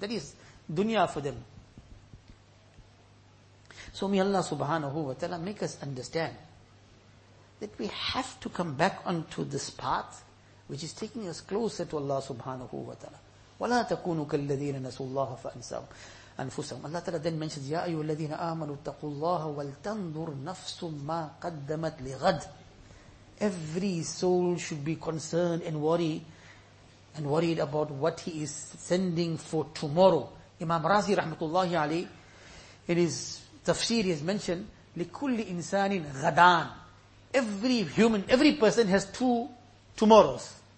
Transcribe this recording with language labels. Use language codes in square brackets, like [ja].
[en] That is dunya for them. So may Allah subhanahu wa ta'ala make us understand that we have to come back onto this path which is taking us closer to Allah subhanahu wa ta'ala. [ar] وَلَا تَكُونُ كَالَّذِينَ نَسُوا اللَّهَ فَأَنْسَوْا أَنفُسَهُمْ. [en] Allah ta'ala then mentions, [ar] يَا أَيُّوَ الَّذِينَ آمَنُوا اتَّقُوا اللَّهَ وَالْتَنْظُرْ نَفْسٌ مَا قَدَّمَتْ لِغَدْ. [en] Every soul should be concerned and worried about what he is sending for tomorrow. Imam Razi rahmatullahi alayhi, in his tafsir, he has mentioned, [ar] لِكُلِّ إِنسَانٍ غَدَان. [en] Every human, every person has two tomorrows.